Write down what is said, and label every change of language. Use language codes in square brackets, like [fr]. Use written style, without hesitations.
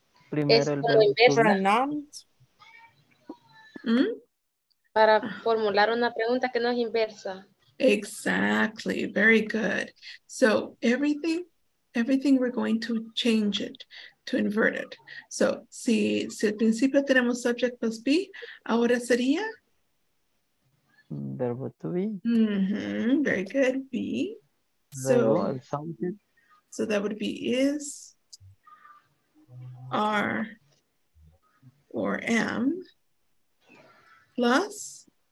[es] Primero el verbo. Para formular una pregunta que no es inversa. [en] Exactly. Very good. So everything we're going to change it to invert it. [es] So si al principio tenemos subject plus be, ahora sería verbo to be. [en] Very good. Be. So that would be is, are, or am, plus